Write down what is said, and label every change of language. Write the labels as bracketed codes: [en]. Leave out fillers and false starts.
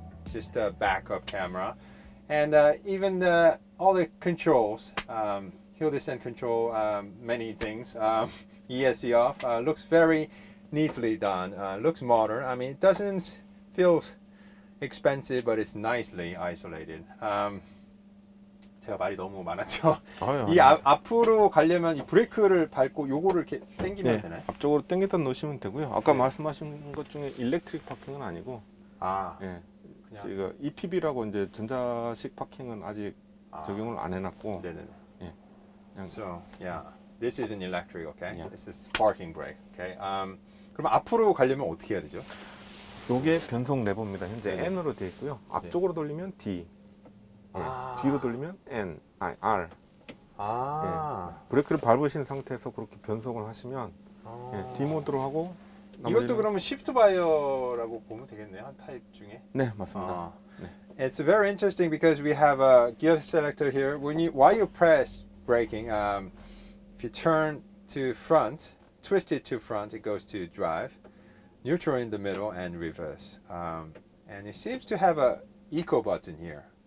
[en] Just a backup camera, and even all the controls, hill descent control, many things, ESC off, looks very neatly done, looks modern. I mean, it doesn't feel expensive, but it's nicely isolated. [ko] 제가 말이 너무 많았죠. 이 앞으로 가려면 이 브레이크를 밟고 요거를 이렇게 당기면 되나요? 앞쪽으로 당기다 놓으시면 되고요. 아까 말씀하신 것 중에 일렉트릭 파킹은 아니고. 이거 EPB라고 이제 전자식 파킹은 아직 적용을 안 해놨고. 네네네. 예. [en] So yeah, this is an electric, okay? Yeah. This is parking brake, okay? [ko] 그럼 앞으로 가려면 어떻게 해야 되죠? 이게 변속 레버입니다. 현재 네네. N으로 되어 있고요. 앞쪽으로 네. 돌리면 D. 네. 뒤로 돌리면 N, 아니 R. 아. 네. 브레이크를 밟으신 상태에서 그렇게 변속을 하시면 네. D 모드로 하고. 이것도 그러면 시프트 바이어라고 보면 되겠네요. 한 타입 중에. 네, 맞습니다. 아. 네. [en] It's very interesting because we have a gear selector here. When you, while you press braking, if you turn to front, twist it to front, it goes to drive, neutral in the middle, and reverse. And it seems to have a eco button here.